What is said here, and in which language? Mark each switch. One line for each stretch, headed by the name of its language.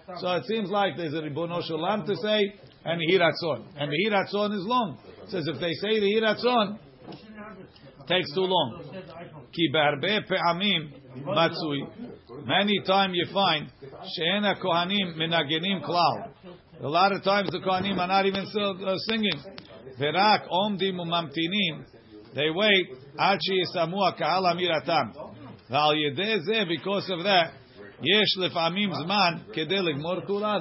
English: So it seems like there's a ריבונו של עולם to say, and היי רצון. And היי רצון is long. It says if they say the היי רצון, takes too long.
Hebrew: כי בהרבה פעמים מצוי,
English: many times you find
Hebrew: שאין הכהנים מנגנים כלל.
English: A lot of times the כהנים are not even singing.
Hebrew: ורק עומדים וממתינים,
English: they wait
Hebrew: עד שיסמו הקהל אמירתם. ועל ידי זה,
English: because of that,
Hebrew: יש לפעמים זמן כדי לגמור כולה.